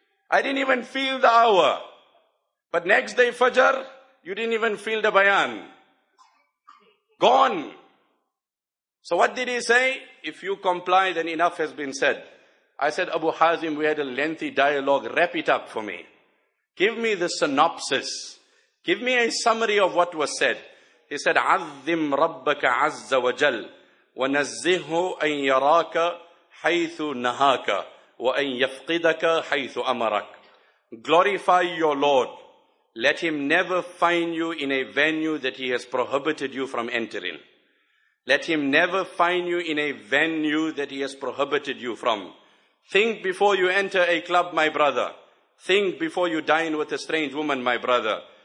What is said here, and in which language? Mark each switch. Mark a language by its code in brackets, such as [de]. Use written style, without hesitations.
[en] I didn't even feel the hour. But next day, Fajr, you didn't even feel the bayan. Gone. So what did he say? If you comply, then enough has been said. I said, Abu Hazim, we had a lengthy dialogue. Wrap it up for me. Give me the synopsis. Give me a summary of what was said. He said, [ar] عَذِّمْ رَبَّكَ عَزَّ وَجَلْ وَنَزِّهُ أَنْ يَرَاكَ حَيْثُ نَهَاكَ وَأَنْ يَفْقِدَكَ حَيْثُ أَمَرَكَ. [en] Glorify your Lord. Let him never find you in a venue that he has prohibited you from entering. Let him never find you in a venue that he has prohibited you from. Think before you enter a club, my brother. Think before you dine with a strange woman, my brother.